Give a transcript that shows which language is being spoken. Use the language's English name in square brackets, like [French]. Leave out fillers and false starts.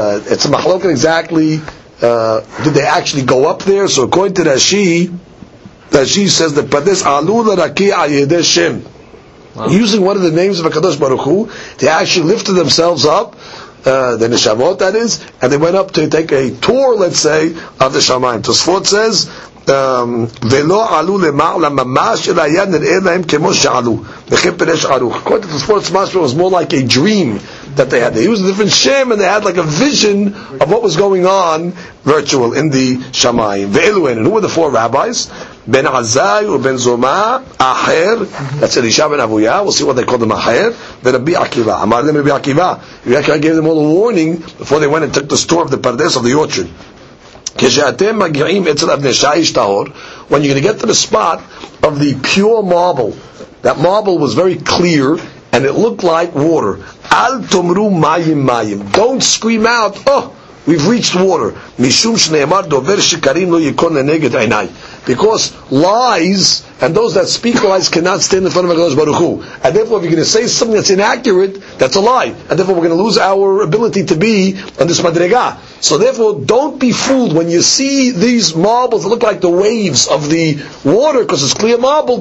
[English] It's a machlokan exactly. Did they actually go up there? So according to Rashi, Rashi says that Pardes alu l'raki ayedei Shem. Using one of the names of HaKadosh Baruch Hu, they actually lifted themselves up, the Neshavot that is, and they went up to take a tour, let's say, of the Shamayim. [Hebrew] Tosfot says, ולא עלו למעלה ממש אלא היה נראה להם כמו שעלו וכי פרש ערוך. [English] According to the sports master, it was more like a dream that they had. They used a different shame and they had like a vision of what was going on virtual in the Shamayim. [Hebrew] ואלו הן, [English] and who were the four rabbis? בן עזאי ובן זומא, אחר, that's Elisha ben Avuya, we'll see what they call them, אחר, ורבי עקיבא. [Hebrew] אמר להם רבי עקיבא, [English] you actually gave them all a warning before they went and took the store of the Pardes of the orchard. [Hebrew] כשאתם מגיעים אצל אבני שיש טהור, [English] when you're going to get to the spot of the pure marble, that marble was very clear, and it looked like water. [Hebrew] אל תאמרו מים מים. [English] Don't scream out, oh, we've reached water. [Hebrew] משום שנאמר דובר שקרים לא יקון לנגד עיניי. [English] Because lies, and those that speak lies cannot stand in front of HaKadosh Baruch Hu. And therefore, if you're going to say something that's inaccurate, that's a lie. And therefore, we're going to lose our ability to be on this Madrega. So therefore, don't be fooled when you see these marbles that look like the waves of the water, because it's clear marble.